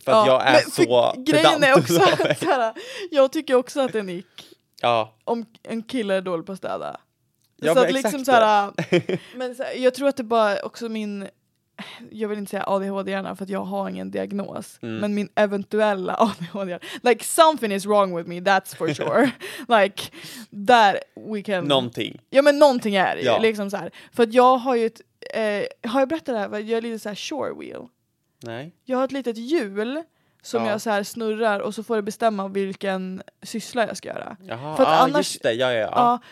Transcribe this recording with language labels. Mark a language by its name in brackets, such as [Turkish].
[Swedish] För att jag är så grejen är också att jag tycker också att det är en ick. Ja. Om en kille är dålig på att städa. Ja, så men att exakt liksom, så här, men så här, jag tror att det bara också min... Jag vill inte säga ADHD gärna för att jag har ingen diagnos. Mm. Men min eventuella ADHD. [English] Like, something is wrong with me, that's for sure. Like, that we can... [Swedish] Någonting. Ja, men någonting är det ju. Liksom så här. För att jag har ju ett... har jag berättat det här? Jag är lite så här [English] shore wheel. [Swedish] Nej. Jag har ett litet hjul som jag så här snurrar. Och så får jag bestämma vilken syssla jag ska göra. Jaha, för att annars, just det. Ja.